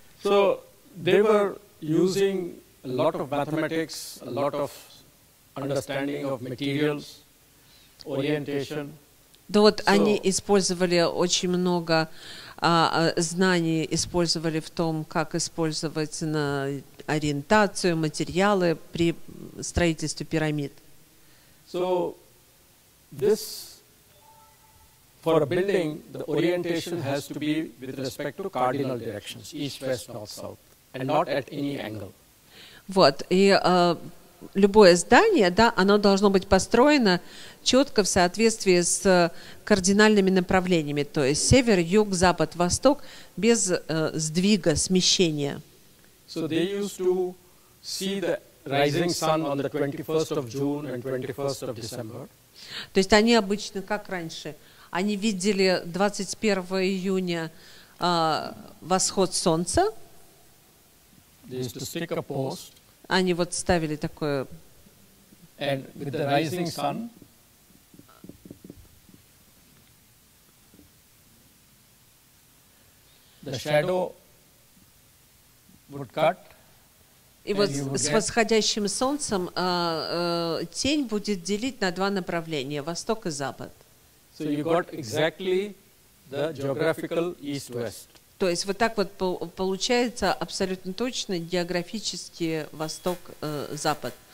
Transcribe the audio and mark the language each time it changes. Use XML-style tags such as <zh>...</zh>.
<en>So, they were using a lot of mathematics, a lot of understanding of materials, orientation.</en> <ru>Да вот они использовали очень много знаний, использовали в том, как использовать на ориентацию, материалы при строительстве пирамид.</ru> <en>So this for a building the orientation has to be with respect to cardinal directions, east, west, north, south, and not at any angle.</en> <ru>Вот, и любое здание, да, оно должно быть построено четко в соответствии с кардинальными направлениями, то есть север, юг, запад, восток, без сдвига, смещения.</ru> <en>So they used to see the rising sun on the 21st of June and 21st of December.</en> <ru>То есть они обычно, как раньше, они видели 21 июня восход солнца.</ru> <en>They used to stick a post.</en> <ru>Они вот ставили такое.</ru> <en>And with the rising sun. The shadow would cut.</en> <ru>И вот с восходящим солнцем тень будет делить на два направления: восток и запад.</ru> <en>So you got exactly the geographical east-west.</en> <ru>То есть вот так вот получается абсолютно точно географический восток-запад.</ru>